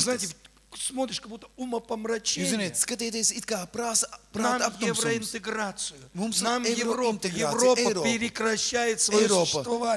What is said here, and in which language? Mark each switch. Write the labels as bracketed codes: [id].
[ru] Знаете, смотришь, как будто умопомрачение. [lv] Jūs zināt, skatieties, it kā prāta aptumsums. [ru] Нам евроинтеграцию. [lv] Mums [ru] нам евроинтеграция. Европа прекращает свое существование.